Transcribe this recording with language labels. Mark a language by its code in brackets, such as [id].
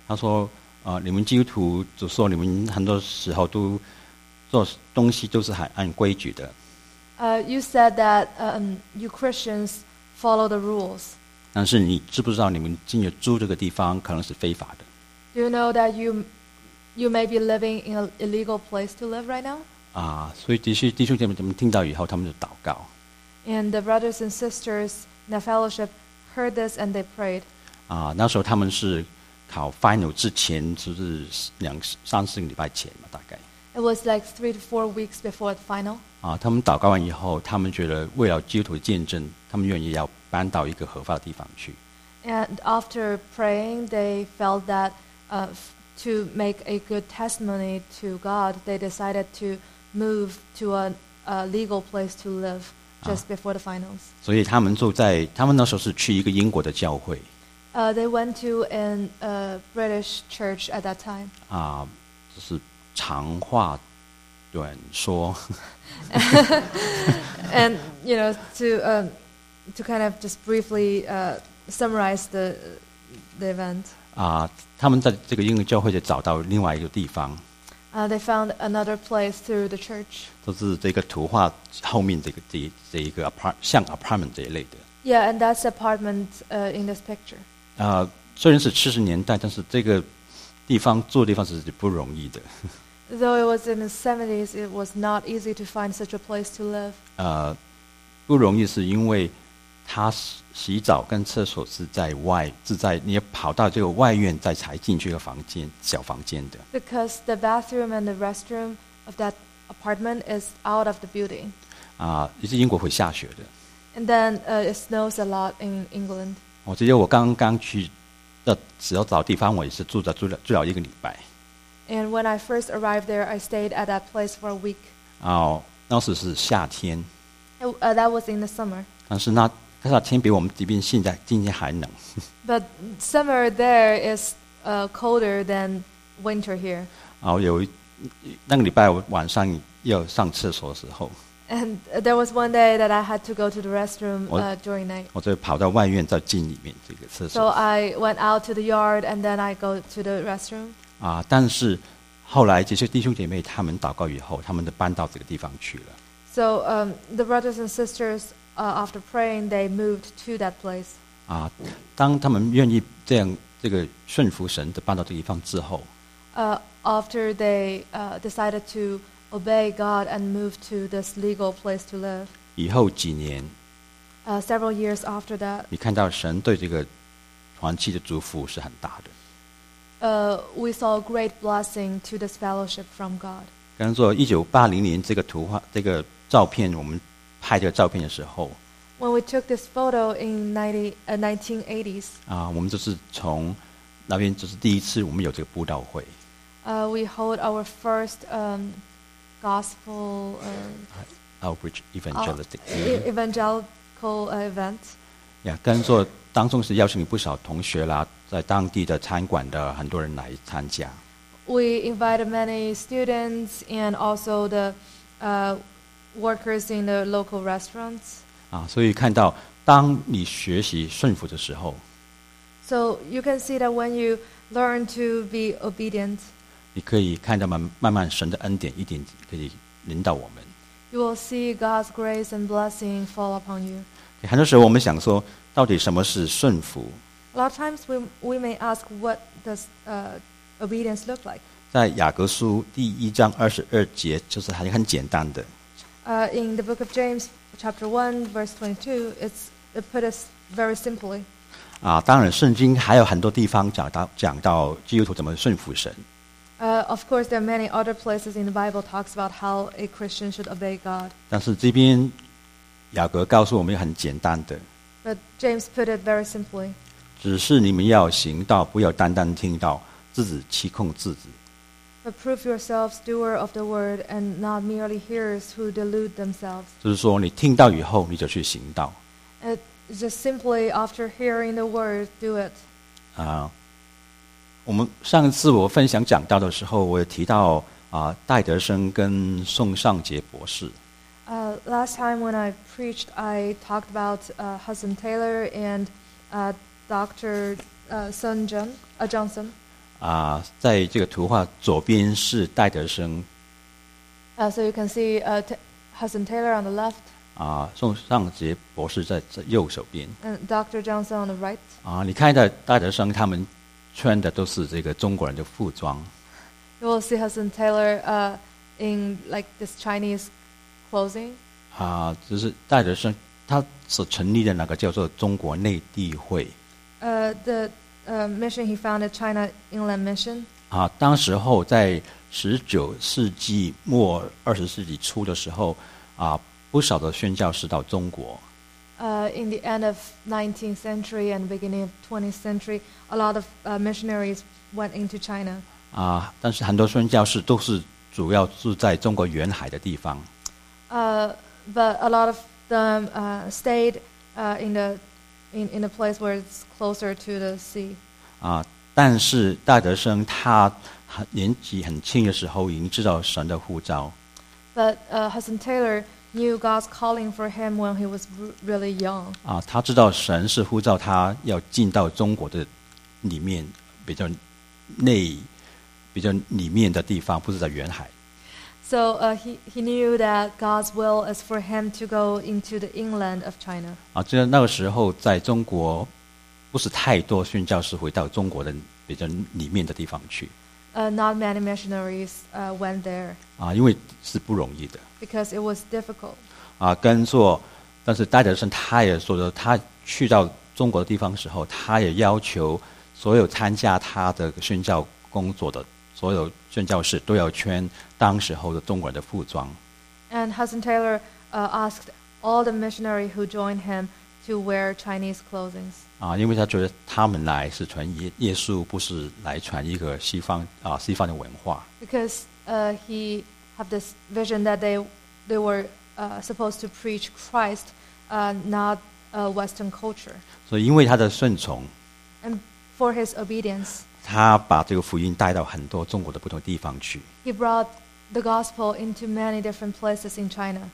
[zh] 他说，你们基督徒就说你们很多时候都做东西都是很按规矩的。 [en] You said that you Christians follow the rules. [zh] 但是你知不知道你们进入住这个地方可能是非法的 [en] ？Do you know that you may be living in an illegal place to live right now？ [zh] 啊，所以弟兄姐妹他们听到以后，他们就祷告。 [en] And the brothers and sisters in the fellowship heard this and they prayed. [zh] 啊，那时候他们是考 final 之前，就是三四个礼拜前嘛，大概。 [en] It was like 3 to 4 weeks before the final. [zh] 啊，他们祷告完以后，他们觉得为了基督徒见证，他们愿意要搬到一个合法的地方去。 [en] And after praying, they felt that to make a good testimony to God, they decided to move to a legal place to live just before the finals. [zh] 所以他们那时候是去一个英国的教会。 [en] They went to a British church at that time. [zh] 啊，就是。长话短说 [en] and you know to kind of just briefly summarize the event [zh] 啊，他们在这个英国教会就找到另外一个地方 [en] they found another place through the church [zh] 就是这个图画后面这一个 apartment 这一类的 [en] yeah and that's apartment in this picture [zh] 啊，虽然是70年代但是这个地方住的地方是不容易的 [en] Though it was in the 70s, it was not easy to find such a place to live. [zh] 不容易是因为他洗澡跟厕所是在外，是在你跑到这个外院再才进去一个房间，小房间的。 [en] Because the bathroom and the restroom of that apartment is out of the building. [zh] 啊，也是英国会下雪的。 [en] And then it snows a lot in England. [zh] 我记得我刚刚去的时候找地方，我也是住了一个礼拜。 [en] And when I first arrived there, I stayed at that place for a week. [zh] 哦，那时是夏天。 [en] That was in the summer. [zh] 但是那夏天比我们这边现在今天还冷。 [en] But summer there is colder than winter here. [zh] 哦，有那个礼拜晚上要上厕所的时候。 [en] And there was one day that I had to go to the restroom during night. [zh] 我就跑到外院再进里面这个厕所。 [en] So I went out to the yard and then I go to the restroom. [zh] 啊，但是后来这些弟兄姐妹他们祷告以后，他们都搬到这个地方去了。 [en] So the brothers and sisters after praying they moved to that place. [zh] 啊，当他们愿意这样这个顺服神的搬到这个地方之后。 [en] After they decided to obey God and move to this legal place to live. [zh] 以后几年。 [en] Several years after that. [zh] 你看到神对这个团契的祝福是很大的。 [en] We saw a great blessing to this fellowship from God. [zh] 刚说1980年这个图画这个照片我们拍这个照片的时候。 [en] When we took this photo in 1980s. [zh] 啊，我们就是从那边就是第一次我们有这个布道会。 [en] We hold our first gospel outreach evangelistic evangelical event. [zh] Yeah, 跟说当中是邀请不少同学啦，在当地的餐馆的很多人来参加。 [en] We invited many students and also the workers in the local restaurants. [zh] 啊，所以看到当你学习顺服的时候 [en] ，So you can see that when you learn to be obedient. [zh] 你可以看到慢慢神的恩典一点可以临到我们。 [en] You will see God's grace and blessing fall upon you. [zh] 很多时候我们想说，到底什么是顺服 [en] ？A lot of times we may ask, what does obedience look like? [zh] 在雅各书第一章二十二节，就是很简单的。 [en] In the book of James, chapter 1, verse 22, it put us very simply. [zh] 啊，当然，圣经还有很多地方讲到基督徒怎么顺服神。 [en] Of course, there are many other places in the Bible talks about how a Christian should obey God. [zh] 但是这边雅各告诉我们很简单的。 [en] But James put it very simply. [zh] 只是你们要行道，不要单单听道，自己欺控自己。 [en] But prove yourselves doer of the word, and not merely hearers who delude themselves. [zh] 就是说，你听到以后，你就去行道。 [en] It's just simply after hearing the word, do it. 啊。 [zh] 我们上一次我分享讲到的时候，我也提到戴德生跟宋尚杰博士。 [en] Last time when I preached, I talked about Hudson Taylor and Dr. Sun Jun, Johnson. [zh] 啊，在这个图画左边是戴德生。 [en] So you can see Hudson Taylor on the left. [zh] 啊，宋尚杰博士在右手边。 [en] And Dr. Johnson on the right. [zh] 啊，你看到戴德生他们。穿的都是这个中国人的服装。 [en] You will see Hudson Taylor in like this Chinese clothing. [zh] 啊，就是戴德生，他所成立的那个叫做中国内地会。 [en] The mission he founded China Inland Mission. [zh] 啊，当时候在十九世纪末二十世纪初的时候，啊，不少的宣教士到中国。 [en] In the end of 19th century and beginning of 20th century, a lot of missionaries went into China. [zh] 啊，但是很多宣教士都是主要住在中国沿海的地方。 [en] But a lot of them stayed in a place where it's closer to the sea. [zh] 啊，但是戴德生他年纪很轻的时候已经知道神的呼召。 [en] But Hudson Taylor. Knew God's calling for him when he was really young. [zh] 啊，他知道神是呼召他要进到中国的里面比较内比较里面的地方，不是在沿海。 [en] So he knew that God's will is for him to go into the inland of China. [zh] 啊，就那个时候在中国不是太多宣教士回到中国的比较里面的地方去。 [en] Not many missionaries went there. [zh] 啊，因为是不容易的。 [en] Because it was difficult. [zh] 啊，跟做，但是戴德生他也说的，他去到中国的地方的时候，他也要求所有参加他的宣教工作的所有宣教士都要穿当时候的中国人的服装。 [en] And Hudson Taylor asked all the missionary who joined him to wear Chinese clothing. [zh] 啊，因为他觉得他们来是传耶稣，不是来传一个西方的文化。 [en] Because he. Have this vision that they were supposed to preach Christ, not a Western culture. [zh] So, 因为他的顺从 [en] and for his obedience, [zh] 他把这个福音带到很多中国的不同地方去 [en] He brought the gospel into many different places in China.